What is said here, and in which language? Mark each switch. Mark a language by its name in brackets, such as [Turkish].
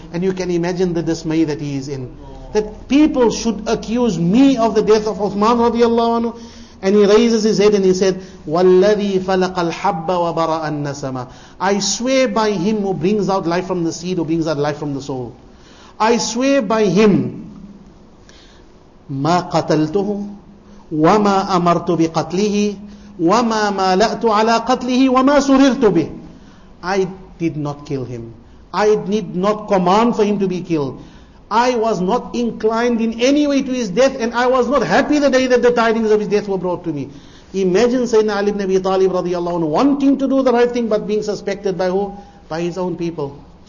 [English] And you can imagine the dismay that he is in. That people should accuse me of the death of Uthman radiallahu anhu. And he raises his head and he said, [Arabic] وَالَّذِي فَلَقَ الْحَبَّ وَبَرَأَ النَّسَمَ. [English] I swear by him who brings out life from the seed, who brings out life from the soul. I swear by him, [Arabic] مَا قَتَلْتُهُ وَمَا أَمَرْتُ بِقَتْلِهِ وَمَا مَالَأْتُ عَلَىٰ قَتْلِهِ وَمَا سُرِرْتُ بِهِ. [English] I did not kill him. I did not command for him to be killed. I was not inclined in any way to his death, and I was not happy the day that the tidings of his death were brought to me. Imagine Sayyidina Ali ibn Abi Talib radiallahu anhu wanting to do the right thing but being suspected by who? By his own people.